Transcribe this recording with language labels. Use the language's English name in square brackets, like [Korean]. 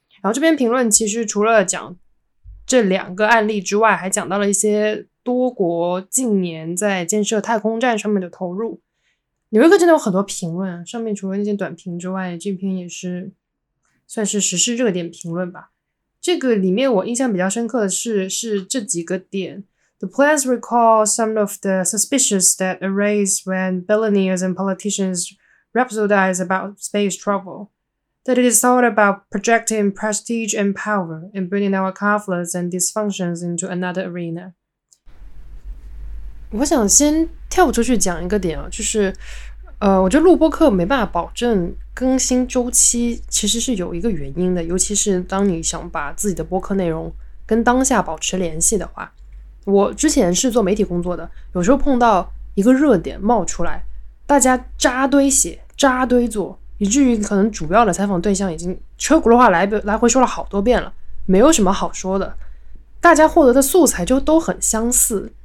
[Chinese] 然后这篇评论其实除了讲这两个案例之外，还讲到了一些多国近年在建设太空站上面的投入。纽约客真的有很多评论，上面除了那些短评之外，这篇也是算是时事热点评论吧。这个里面我印象比较深刻的是这几个点。 [English] The plans recall some of the suspicions that arise when billionaires and politicians rhapsodize about space travel. That it is all about projecting prestige and power and bringing our conflicts and dysfunctions into another arena. [Chinese] 我想先跳出去讲一个点啊，就是我觉得录播课没办法保证更新周期，其实是有一个原因的，尤其是当你想把自己的播客内容跟当下保持联系的话。我之前是做媒体工作的，有时候碰到一个热点冒出来，大家扎堆写扎堆做，以至于可能主要的采访对象已经车轱辘话来回说了好多遍了，没有什么好说的，大家获得的素材就都很相似。